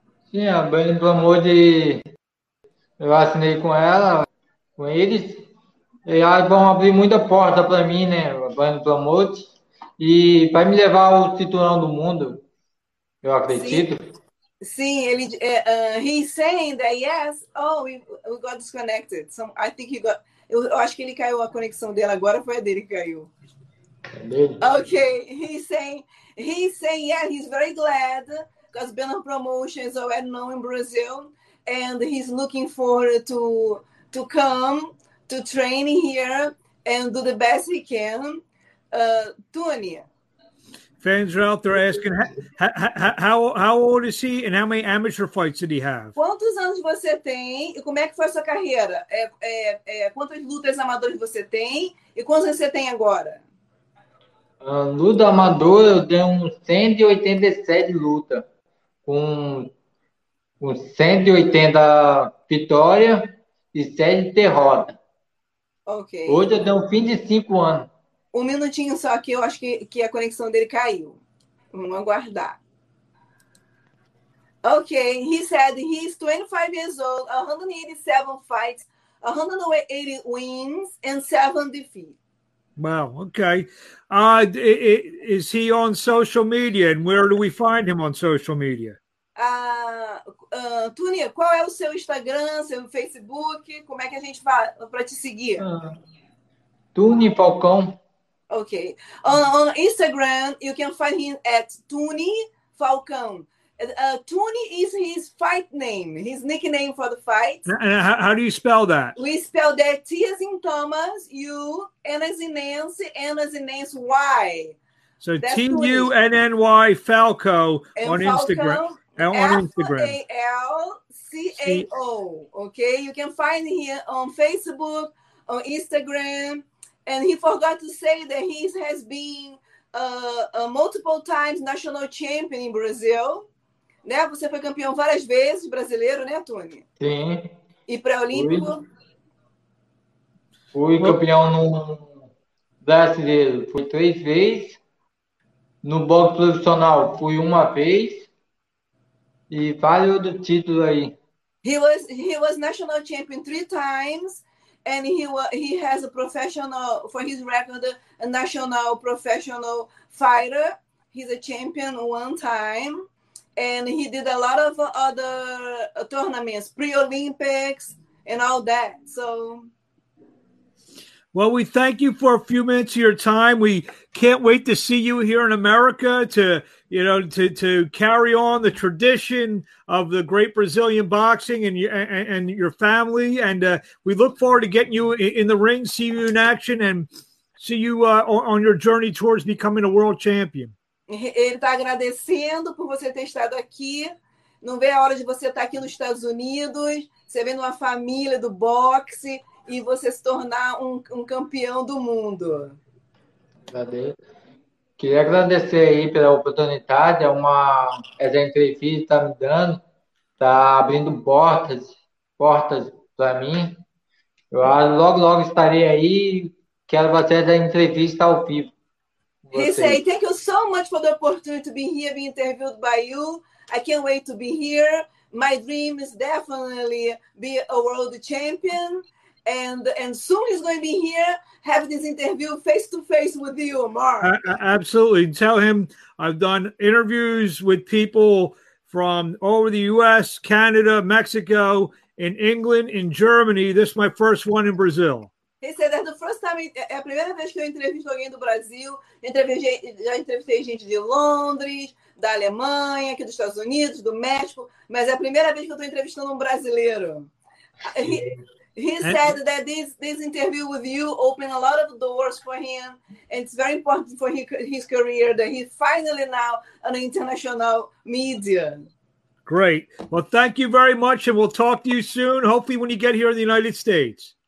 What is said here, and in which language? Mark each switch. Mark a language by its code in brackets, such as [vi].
[pt] Sim, a Benor Promotion, eu assinei com ela, com eles, e elas vão abrir muita porta para mim, né, a Benor Promotion. E vai me levar ao cinturão do mundo, eu acredito. Sim, ele [en] he's saying that yes. Oh, we got disconnected. So I think he got. [pt] Eu acho que ele caiu a conexão dele agora, foi a dele que caiu. [en] Okay, he's saying yeah, he's very glad because Benor Promotion is already known in Brazil and he's looking forward to come to train here and do the best he can. Tony. Fans are out there asking how old is he and how many amateur fights did he have? [pt] Quantos anos você tem e como é que foi a sua carreira? Quantas lutas amadoras você tem e quantas você tem agora? Luta amadora eu tenho 187 lutas com 180 vitórias e 7 derrotas. [en] Okay. [pt] Hoje eu tenho 25 anos. Um minutinho só aqui, eu acho que a conexão dele caiu. Vamos aguardar. [en] Okay, he said he's 25 years old, 187 fights, 180 wins, and 7 defeats. Wow, okay. Is he on social media, and where do we find him on social media? [pt] Tunia, qual é o seu Instagram, seu Facebook? Como é que a gente fala para te seguir? Tunia Falcão. [en] Okay. On Instagram, you can find him at Tony Falcão. Tony is his fight name, his nickname for the fight. And how do you spell that? We spell that T as in Thomas, U, N as in Nancy, Y. So T-U-N-N-Y Falco on Instagram. F-A-L-C-A-O. Okay, you can find him on Facebook, on Instagram. And he forgot to say that he has been multiple times national champion in Brazil. [pt] Né? Você foi campeão várias vezes brasileiro, né, Tony? Sim. E pré-olímpico? Fui campeão no brasileiro. Fui 3 vezes. No boxe profissional, fui 1 vez. E valeu do título aí. [en] He was national champion 3 times. And he has a professional, for his record, a national professional fighter. He's a champion 1 time. And he did a lot of other tournaments, pre-Olympics and all that. So, well, we thank you for a few minutes of your time. We can't wait to see you here in America to carry on the tradition of the great Brazilian boxing and your family. And we look forward to getting you in the ring, see you in action, and see you on your journey towards becoming a world champion. [pt] Ele tá agradecendo por você ter estado aqui. Não vê a hora de você estar aqui nos Estados Unidos, você vendo uma família do boxe e você se tornar um campeão do mundo. Queria agradecer aí pela oportunidade, essa entrevista está me dando, está abrindo portas para mim. Eu logo, logo estarei aí, quero fazer a entrevista ao vivo. [en] He said, thank you so much for the opportunity to be here, be interviewed by you. I can't wait to be here. My dream is definitely be a world champion. And soon he's going to be here, have this interview face-to-face with you, Mark. Absolutely. Tell him I've done interviews with people from over the U.S., Canada, Mexico, in England, in Germany. This is my first one in Brazil. He said that the first time, [pt] é a primeira vez que eu entrevisto alguém do Brasil. Já entrevistei gente de Londres, da Alemanha, aqui dos Estados Unidos, do México. Mas é a primeira vez que eu estou entrevistando brasileiro. [en] He said that this interview with you opened a lot of doors for him, and it's very important for his career that he's finally now an international media. Great. Well, thank you very much, and we'll talk to you soon, hopefully when you get here in the United States.